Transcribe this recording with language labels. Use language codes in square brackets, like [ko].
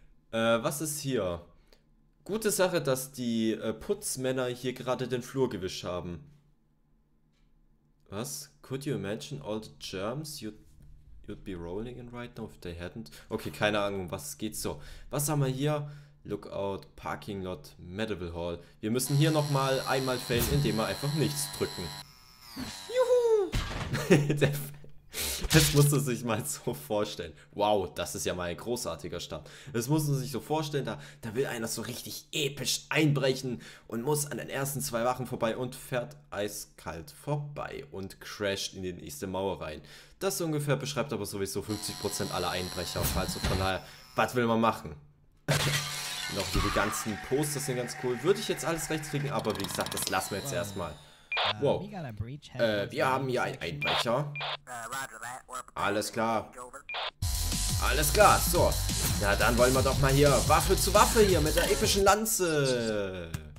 [de] was ist hier? Gute Sache, dass die Putzmänner hier gerade den Flur gewischt haben. Was? [en] Could you imagine all the germs you'd be rolling in right now if they hadn't? [de] Okay, keine Ahnung, was geht so. Was haben wir hier? Lookout, Parking Lot, Medical Hall. Wir müssen hier nochmal einmal failen, indem wir einfach nichts drücken. Juhu! Das musst du sich mal so vorstellen. Wow, das ist ja mal ein großartiger Start. Das musst du sich so vorstellen, da will einer so richtig episch einbrechen und muss an den ersten zwei Wachen vorbei und fährt eiskalt vorbei und crasht in die nächste Mauer rein. Das ungefähr beschreibt aber sowieso 50% aller Einbrecher. Also von daher, was will man machen? Noch diese ganzen Posters sind ganz cool. Würde ich jetzt alles rechts kriegen, aber wie gesagt, das lassen wir jetzt erstmal. Wow, wir haben hier einen Einbrecher. Alles klar. Alles klar, so. Na, dann wollen wir doch mal hier Waffe zu Waffe hier mit der epischen Lanze.